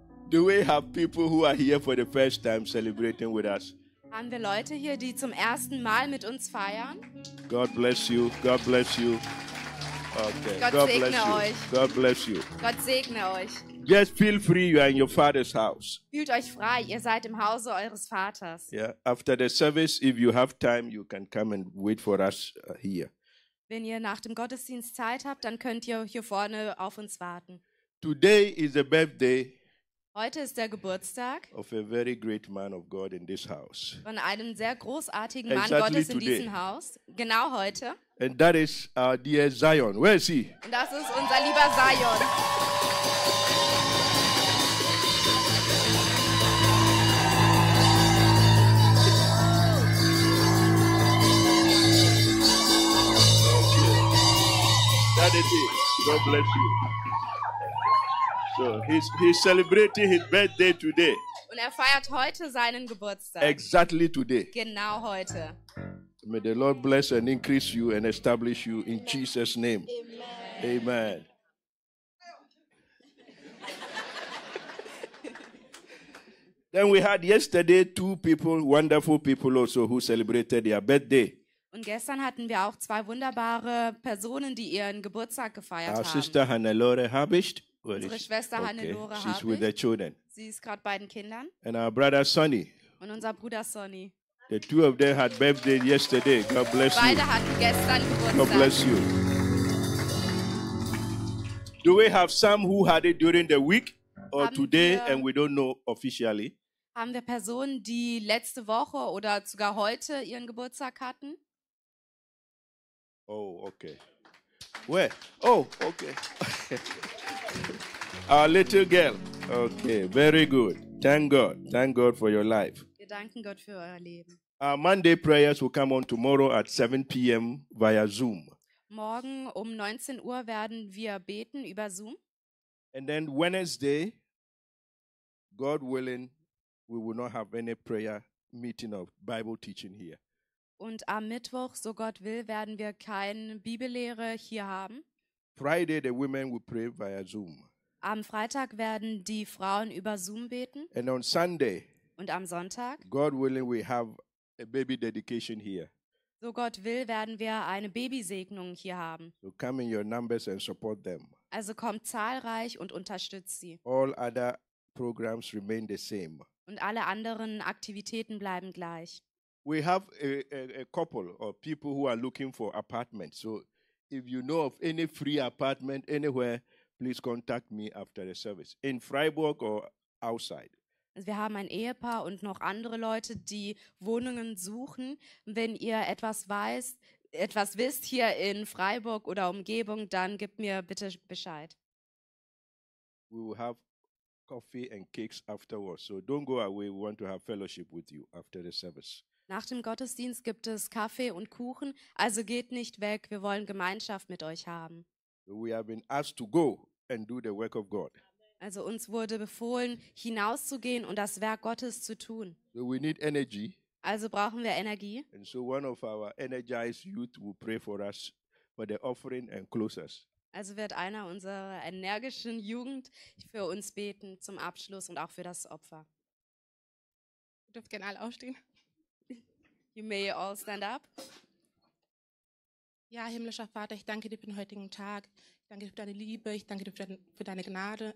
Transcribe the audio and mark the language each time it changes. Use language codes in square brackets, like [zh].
[en] Do we have people who are here for the first time celebrating with us? [de] Haben wir Leute hier, die zum ersten Mal mit uns feiern? [en] God bless you. God bless you. Okay. God bless you. [de] Euch. [en] God bless you. [de] Gott segne euch. [en] Just feel free, you are in your father's house. [de] Fühlt euch frei, ihr seid im Hause eures Vaters. [en] Yeah. After the service, if you have time, you can come and wait for us here. [de] Wenn ihr nach dem Gottesdienst Zeit habt, dann könnt ihr hier vorne auf uns warten. [en] Today is a birthday. [de] Heute ist der Geburtstag [en] of a very great man of God in this house. [de] Von einem sehr großartigen Mann [en] exactly [de] Gottes [en] today. [de] In diesem Haus. Genau heute. [en] And that is our dear Zion. Where is he? [de] Und das ist unser lieber Zion. [en] That is it. God bless you. So he's celebrating his birthday today. [de] Und er feiert heute seinen Geburtstag. [en] Exactly today. [de] Genau heute. [en] May the Lord bless and increase you and establish you in Jesus' name. Amen. Amen. Then we had yesterday two people, wonderful people also, who celebrated their birthday. [de] Und gestern hatten wir auch zwei wunderbare Personen, die ihren Geburtstag gefeiert [en] Our [de] haben. [en] Sister Hannelore Habicht. [de] Unsere Schwester okay. Hannelore Habicht. [en] She's with the children. [de] Sie ist gerade bei den Kindern. [en] And our brother Sonny. [de] Und unser Bruder Sonny. [en] The two of them had birthday yesterday. God bless [de] Beide Beide hatten gestern Geburtstag. [en] God bless you. Do we have some who had it during the week or [de] haben [en] today [de] wir, [en] and we don't know officially? [de] Haben wir Personen, die letzte Woche oder sogar heute ihren Geburtstag hatten? [en] Oh, okay. Where? Oh, okay. Our little girl. Okay, very good. Thank God. Thank God for your life. [de] Wir danken Gott für euer Leben. [en] Our Monday prayers will come on tomorrow at 7 p.m. via Zoom. [de] Morgen um 19 Uhr werden wir beten über Zoom. [en] And then Wednesday, God willing, we will not have any prayer meeting or Bible teaching here. [de] Und am Mittwoch, so Gott will, werden wir keine Bibellehre hier haben. [en] Friday, the women will pray via Zoom. [de] Am Freitag werden die Frauen über Zoom beten. [en] And on Sunday, [de] und am Sonntag, [en] God willing, we have a baby dedication here. [de] So Gott will, werden wir eine Babysegnung hier haben. [en] So come in your numbers and support them. [de] Also kommt zahlreich und unterstützt sie. [en] All other programs remain the same. [de] Und alle anderen Aktivitäten bleiben gleich. [en] We have a couple of people who are looking for apartments. So if you know of any free apartment anywhere, please contact me after the service. In Freiburg or outside. [de] Wir haben ein Ehepaar und noch andere Leute, die Wohnungen suchen. Wenn ihr etwas wisst hier in Freiburg oder Umgebung, dann gebt mir bitte Bescheid. [en] We will have coffee and cakes afterwards. So don't go away. We want to have fellowship with you after the service. [de] Nach dem Gottesdienst gibt es Kaffee und Kuchen, also geht nicht weg, wir wollen Gemeinschaft mit euch haben. [en] We have been asked to go and do the work of God. [de] Also uns wurde befohlen, hinauszugehen und das Werk Gottes zu tun. [en] So we need energy. [de] Also brauchen wir Energie. [en] And so one of our energized youth will pray for us for the offering and close us. [de] Also wird einer unserer energischen Jugend für uns beten zum Abschluss und auch für das Opfer. Ihr dürft gerne alle aufstehen. [en] You may all stand up. [de] Ja, himmlischer Vater, ich danke dir für den heutigen Tag. Ich danke dir für deine Liebe, ich danke dir für deine Gnade.